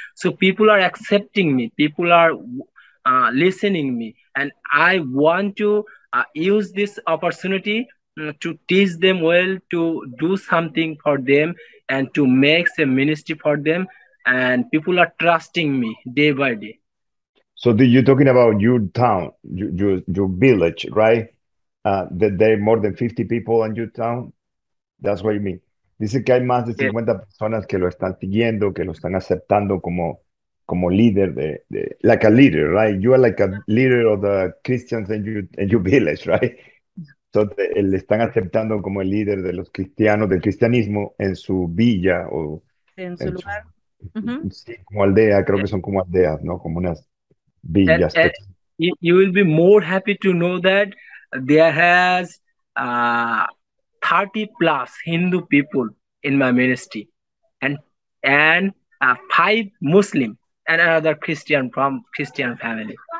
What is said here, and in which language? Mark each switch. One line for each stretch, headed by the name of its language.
English: So people are accepting me, people are listening me, and I want to use this opportunity to teach them well, to do something for them, and to make a ministry for them, and people are trusting me day by day. So you're talking about your town, your village, right? That there are more than 50 people in your town. That's what you mean.
Spanish: Dice que hay más de 50 personas que lo están siguiendo, que lo están aceptando como líder de
English: like a leader, right? You are like a leader of the Christians in your village, right?
Spanish: So le están aceptando como el líder de los cristianos, del cristianismo en su villa o En su en su lugar. sí, como aldea, creo que son como aldeas, ¿no? Como unas villas
English: And
Spanish: pequeñas.
English: you will be more happy to know that there has 30 plus Hindu people in my ministry, and five Muslim and another Christian from Christian family.